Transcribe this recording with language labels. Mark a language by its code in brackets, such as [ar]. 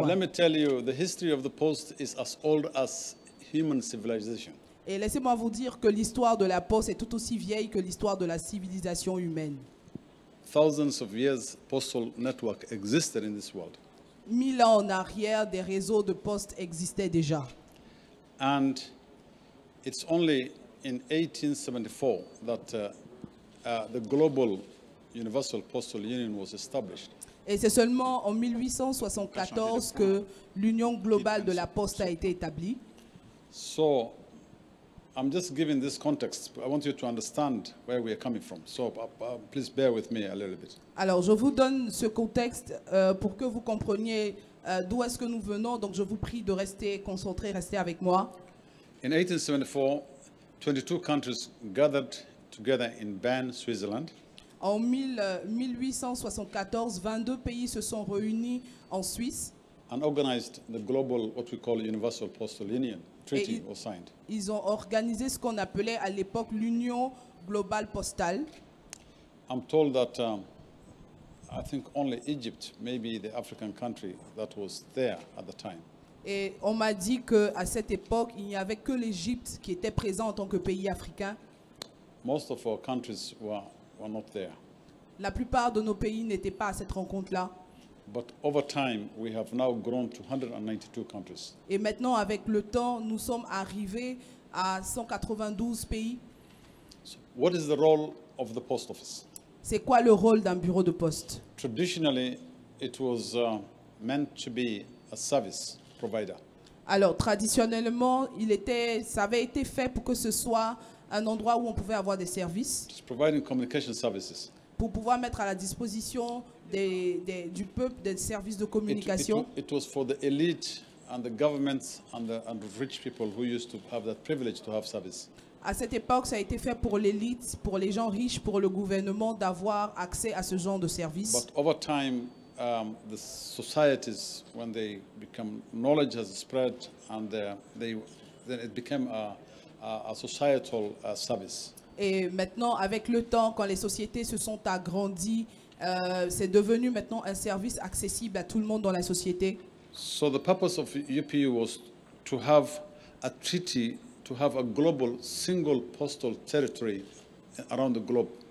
[en] But let me tell you, the history of the post is as old as human civilization. [fr] Et laissez-moi vous dire que l'histoire de la poste est tout aussi vieille que l'histoire de la civilisation humaine. [en] Thousands of years postal network existed in this world. [fr] 1000 ans en arrière, des réseaux de poste existaient déjà. [en] And it's only in 1874 that the global Universal Postal Union was established. [fr] Et c'est seulement en 1874 que l'Union globale de la poste a été établie. [en] So, I'm just giving this context. I want you to understand where we are coming from. So, please bear with me a little bit. [fr] Alors, je vous donne ce contexte pour que vous compreniez d'où est-ce que nous venons. Donc, je vous prie de rester concentré, rester avec moi. [en] In 1874, 22 countries gathered together in Bern, Switzerland. [fr] En 1874, 22 pays se sont réunis en Suisse. [en] And organized the global, what we call Universal Postal Union. [fr] Ils ont organisé ce qu'on appelait à l'époque l'Union globale postale. [en] I'm told that I think only Egypt, maybe the African country that was there at the time. [fr] Et on m'a dit que à cette époque, il n'y avait que l'Égypte qui était présent en tant que pays africain. [en] Most of our countries were not there. [fr] La plupart de nos pays n'étaient pas à cette rencontre-là. [en] But over time, we have now grown to 192 countries. [fr] Et maintenant, avec le temps, nous sommes arrivés à 192 pays. [en] So what is the role of the post office? [fr] C'est quoi le rôle d'un bureau de poste? [en] Traditionally, it was meant to be a service provider. [fr] Alors, traditionnellement, ça avait été fait pour que ce soit un endroit où on pouvait avoir des services. [en] It's providing communication services. [fr] Pour pouvoir mettre à la disposition du peuple des services de communication. [en] It was for the elite and the governments and the rich people who used to have that privilege to have service. [fr] À cette époque, ça a été fait pour l'élite, pour les gens riches, pour le gouvernement d'avoir accès à ce genre de service. [en] But over time, the societies, when they become knowledge has spread and then it became a societal service. [fr] Et maintenant, avec le temps, quand les sociétés se sont agrandies, c'est devenu maintenant un service accessible à tout le monde dans la société. [en] So the purpose of UPU was to have a treaty, to have a global single postal territory around the globe.